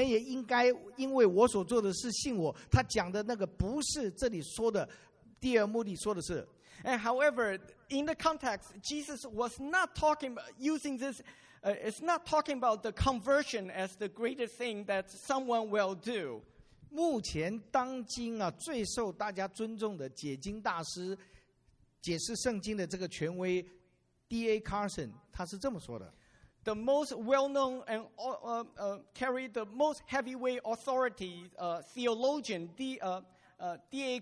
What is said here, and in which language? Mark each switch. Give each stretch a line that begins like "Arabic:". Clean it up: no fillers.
Chinese: 但是这不是耶稣说我所做的事，你们不相信我，你们也应该因为我所做的事。信我，他讲的那个不是这里说的，第二目的说的是。
English: And however, in the context, Jesus was not talking using this. It's not talking about the conversion as the greatest thing that someone will do.
Chinese: 目前当今啊，最受大家尊重的解经大师、解释圣经的这个权威 D.A. Carson， 他是这么说的。
English: The most well-known and carry the most heavyweight authority theologian D.A.